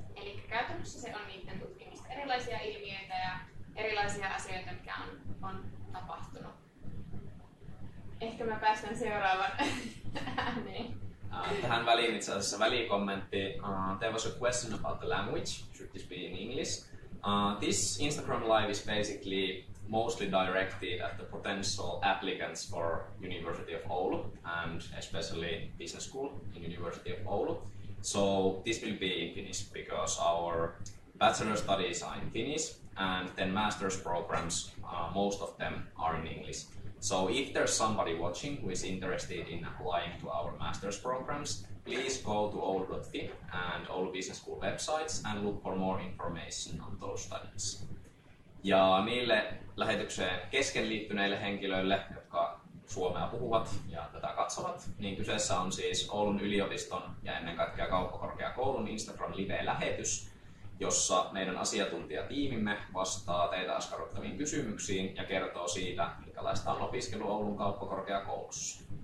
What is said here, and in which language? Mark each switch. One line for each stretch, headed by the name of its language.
Finnish: Eli käytännössä se on niiden tutkimista erilaisia ilmiöitä ja erilaisia asioita, mikä on tapahtunut. Ehkä mä päästän seuraavan ääneen. Tähän väliin itse asiassa välikommentti.
English: There was a question about the language. Should this be in English? This Instagram live is basically mostly directed at the potential applicants for University of Oulu and especially business school in University of Oulu. So this will be in Finnish because our bachelor studies are in Finnish and then master's programs, most of them are in English. So if there's somebody watching who is interested in applying to our master's programs, please go to Oulu.fi and Oulu Business School websites and look for more information on those studies.
Finnish: Ja niille lähetykseen kesken liittyneille henkilöille, jotka suomea puhuvat ja tätä katsovat, niin kyseessä on siis Oulun yliopiston ja ennen kaikkea Kauppakorkeakoulun Instagram-live-lähetys, jossa meidän asiantuntijatiimimme vastaa teitä askarruttaviin kysymyksiin ja kertoo siitä, minkälaista on opiskelu Oulun Kauppakorkeakoulussa.